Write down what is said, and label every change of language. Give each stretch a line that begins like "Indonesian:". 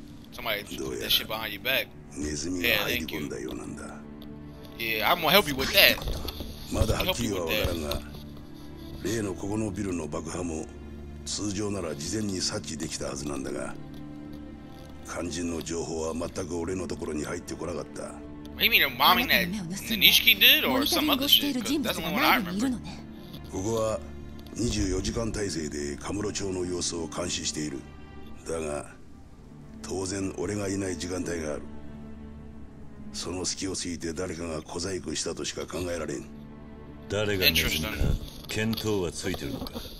English: Somebody put that shit behind your back. Yeah, thank you. Yeah, I'm gonna help you with that.
Japanese: 肝心の情報は全く俺のところに入ってこなかった。
English: What do you mean, bombing that Nishiki did or some other shit? That's the only one I remember.
Japanese: ここは24時間体制でカムロ町の様子を監視している。だが、当然俺がいない時間帯がある。その隙をついて誰かが小細工したとしか考えられん。誰がネズミか、見当はついてるのか。